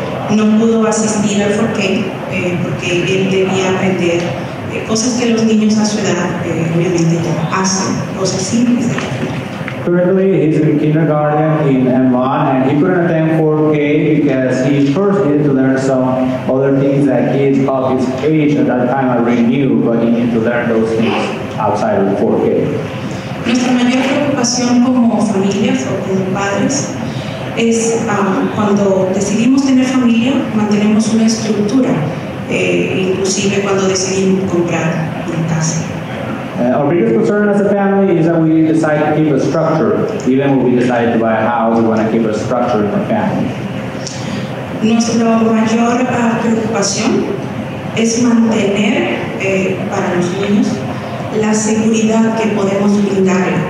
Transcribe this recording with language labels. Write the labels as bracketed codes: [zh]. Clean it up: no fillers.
[es] No pudo asistir al 4K porque él debía aprender cosas que los niños a su edad obviamente ya hacen, cosas simples. [en] Currently, he's in kindergarten in M1, and he couldn't attend 4K because he first needed to learn some other things that kids of his age at that time already knew, but he needed to learn those things outside of 4K. [es] Nuestra mayor preocupación como familias o como padres es cuando decidimos tener familia, mantenemos una estructura, inclusive cuando decidimos comprar una casa. [en] Our biggest concern as a family is that we decide to keep a structure. Even when we decide to buy a house, we want to keep a structure in our family. [es] Nuestra mayor preocupación es mantener para los niños la seguridad que podemos brindar.